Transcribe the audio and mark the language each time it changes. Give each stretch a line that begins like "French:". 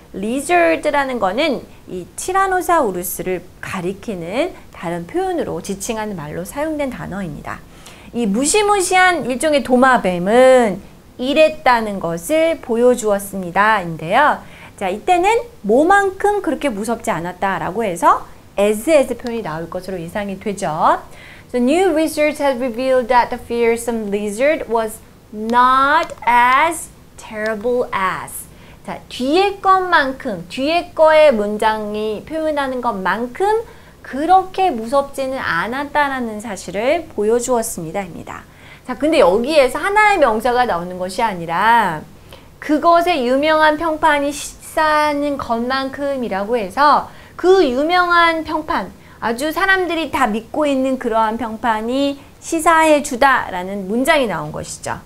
Korean: Lizard라는 거는 이 티라노사우루스를 가리키는 다른 표현으로 지칭하는 말로 사용된 단어입니다. 이 무시무시한 일종의 도마뱀은 이랬다는 것을 보여주었습니다. 인데요. 자, 이때는 뭐만큼 그렇게 무섭지 않았다라고 해서 as 표현이 나올 것으로 예상이 되죠.
English: So new research has revealed that the fearsome lizard was not as terrible as.
Korean: 자, 뒤에 것만큼, 뒤에 거의 문장이 표현하는 것만큼 그렇게 무섭지는 않았다라는 사실을 보여주었습니다입니다. 자, 근데 여기에서 하나의 명사가 나오는 것이 아니라 그것의 유명한 평판이 시사하는 것만큼이라고 해서 그 유명한 평판, 아주 사람들이 다 믿고 있는 그러한 평판이 시사해 주다라는 문장이 나온 것이죠.